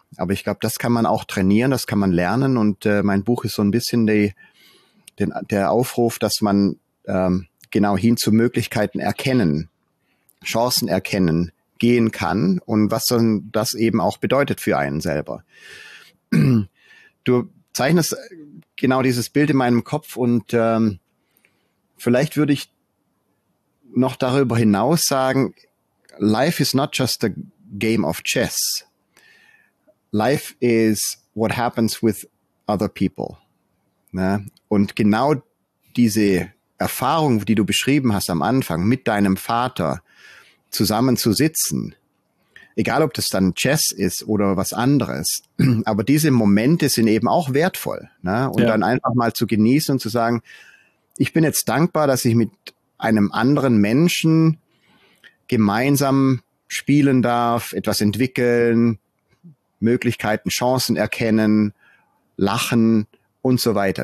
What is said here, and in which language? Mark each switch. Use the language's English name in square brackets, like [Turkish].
[German] Aber ich glaube, das kann man auch trainieren, das kann man lernen. Und mein Buch ist so ein bisschen der Aufruf, dass man genau hin zu Möglichkeiten erkennen, Chancen erkennen, gehen kann und was dann das eben auch bedeutet für einen selber. Du zeichnest genau dieses Bild in meinem Kopf und vielleicht würde ich noch darüber hinaus sagen, [English] life is not just a game of chess. Life is what happens with other people. [German] Ne? Und genau diese Erfahrung, die du beschrieben hast am Anfang, mit deinem Vater zusammen zu sitzen, egal ob das dann Chess ist oder was anderes, aber diese Momente sind eben auch wertvoll. Ne? Und ja, dann einfach mal zu genießen und zu sagen, ich bin jetzt dankbar, dass ich mit einem anderen Menschen gemeinsam spielen darf, etwas entwickeln, Möglichkeiten, Chancen erkennen, lachen und so weiter.